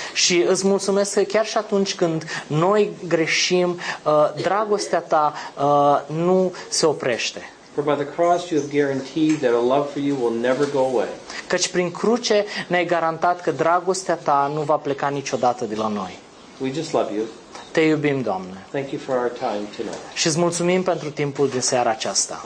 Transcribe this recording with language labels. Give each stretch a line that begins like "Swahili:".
Romanian: Și îți mulțumesc că chiar și atunci când noi greșim, dragostea ta nu se oprește.
English: For by the cross you have guaranteed that a love for you will never go away.
Romanian: Căci prin cruce ne-ai garantat că dragostea ta nu va pleca niciodată de la noi.
English: We just love you.
Romanian: Te iubim, Doamne.
English: Thank you for our time tonight.
Romanian: Și îți mulțumim pentru timpul din seara aceasta.